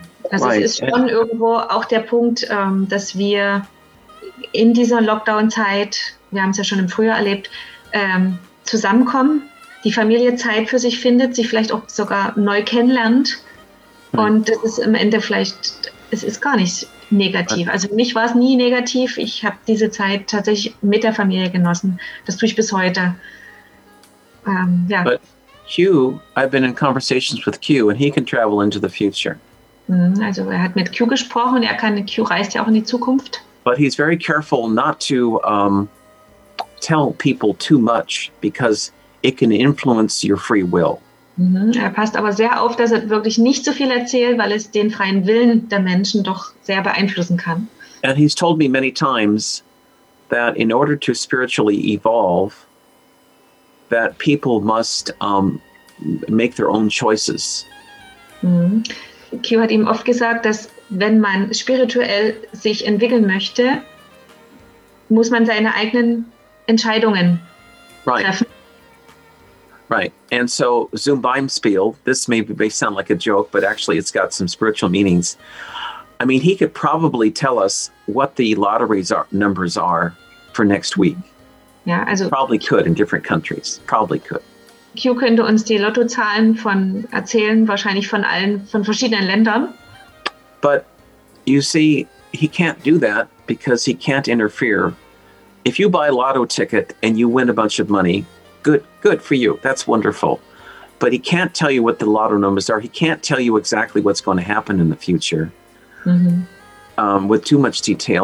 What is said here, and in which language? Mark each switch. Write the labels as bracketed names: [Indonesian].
[German] Also es ist schon irgendwo auch der Punkt, dass wir in dieser Lockdown-Zeit, wir haben es ja schon im Frühjahr erlebt, zusammenkommen, die Familie Zeit für sich findet, sich vielleicht auch sogar neu kennenlernt. Und das ist am Ende vielleicht, es ist gar nicht negativ. Also für mich war es nie negativ. Ich habe diese Zeit tatsächlich mit der Familie genossen. Das tue ich bis heute. [English] But Q, I've been in conversations with Q and he can travel into the future. [German] Also er hat mit Q gesprochen, Q reist ja auch in die Zukunft. [English] But he's very careful not to tell people too much, because it can influence your free will. [German] Er passt aber sehr auf, dass er wirklich nicht so viel erzählt, weil es den freien Willen der Menschen doch sehr beeinflussen kann. [English] And he's told me many times that in order to spiritually evolve, that people must make their own choices. [German] Q hat ihm oft gesagt, dass wenn man spirituell sich entwickeln möchte, muss man seine eigenen Entscheidungen treffen. [English] Right. And so [German] Zum Beispiel, [English] this may sound like a joke, but actually it's got some spiritual meanings. I mean, he could probably tell us what the lottery's numbers are for next week. Yeah, also probably could in different countries. Probably could. [German] Q könnte uns die Lottozahlen erzählen, wahrscheinlich von verschiedenen Ländern. [English] But you see, he can't do that because he can't interfere. If you buy a lotto ticket and you win a bunch of money, good for you. That's wonderful. But he can't tell you what the lotto numbers are. He can't tell you exactly what's going to happen in the future with too much detail.